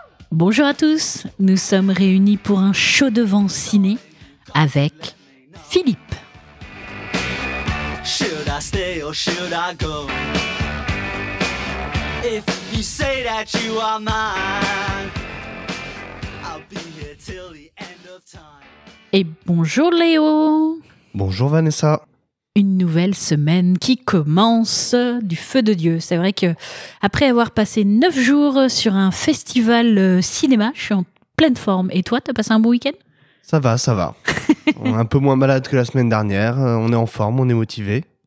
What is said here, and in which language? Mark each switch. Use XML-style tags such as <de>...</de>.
<fr>Bonjour à tous, nous sommes réunis pour un show devant ciné avec Philippe.</fr> <en>Should I stay or should I go? If you say that you are mine, I'll be here till the end of time.</en> <fr>Et bonjour Léo. Bonjour Vanessa. Une nouvelle semaine qui commence du feu de Dieu. C'est vrai que après avoir passé 9 jours sur un festival cinéma, je suis en pleine forme. Et toi, t'as passé un bon week-end ? Ça va, ça va. On est un peu moins malade que la semaine dernière. On est en forme, on est motivé.</fr>